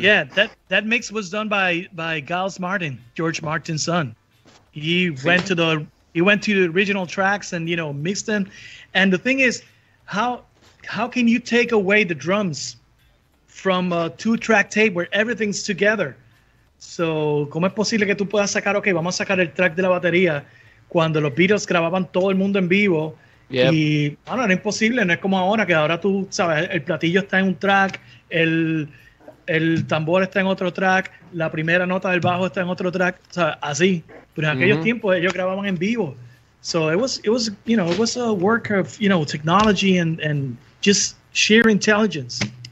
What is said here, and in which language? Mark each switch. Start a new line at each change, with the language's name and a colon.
English: Yeah, that mix was done by Giles Martin, George Martin's son. He went to the original tracks and, you know, mixed them. And the thing is, how can you take away the drums from a two-track tape where everything's together?
Spanish: So, ¿cómo es posible que tú puedas sacar, okay, vamos a sacar el track de la batería cuando los Beatles grababan todo el mundo en vivo?
English: Yep.
Spanish: Y, bueno, era imposible, no es como ahora, que ahora tú sabes, el platillo está en un track, el tambor está en otro track, la primera nota del bajo está en otro track, o sea, así. Pero en aquellos tiempos ellos grababan en vivo.
English: So it was, you know, it was a work of, you know, technology and just sheer intelligence.